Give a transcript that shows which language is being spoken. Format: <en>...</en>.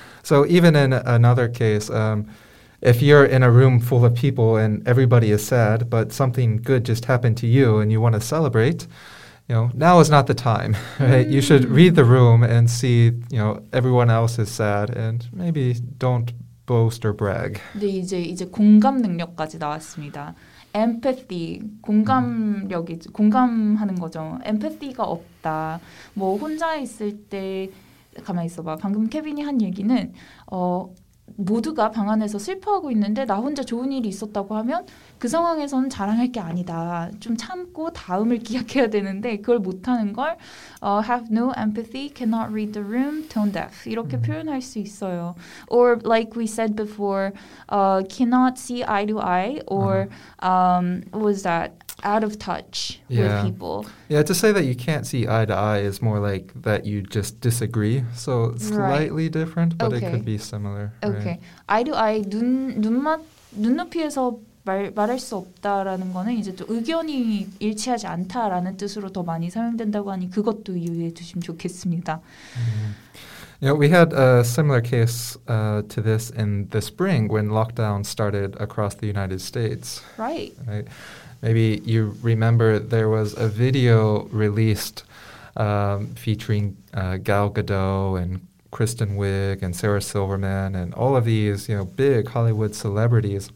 <en>So even in another case, if you're in a room full of people and everybody is sad, but something good just happened to you and you want to celebrate, you know, now is not the time, right? Mm. You should read the room and see, you know, everyone else is sad and maybe don't boast or brag.</en> <ko>네, 이제 공감 능력까지 나왔습니다. Empathy, 공감력이, 공감하는 거죠. Empathy가 없다. 뭐 혼자 있을 때, 가만히 있어봐. 방금 케빈이 한 얘기는, 모두가 방 안에서 슬퍼하고 있는데 나 혼자 좋은 일이 있었다고 하면 그 상황에서는 자랑할 게 아니다. 좀 참고 다음을 기약해야 되는데 그걸 못하는 걸 have no empathy, cannot read the room, tone deaf 이렇게 표현할 수 있어요.</ko> <en>Or like we said before, cannot see eye to eye or what was that? Out of touch with people. Yeah, to say that you can't see eye to eye is more like that you just disagree. So slightly different, but it could be similar. Okay. Right?</en> <ko>Eye to eye, 눈높이에서 말할 수 없다라는 거는 이제 또 의견이 일치하지 않다라는 뜻으로 더 많이 사용된다고 하니 그것도 유의해 주시면 좋겠습니다.</ko> <en>You know, we had a similar case to this in the spring when lockdown started across the United States. Right. Right. Maybe you remember there was a video released featuring Gal Gadot and Kristen Wiig and Sarah Silverman and all of these, you know, big Hollywood celebrities</en>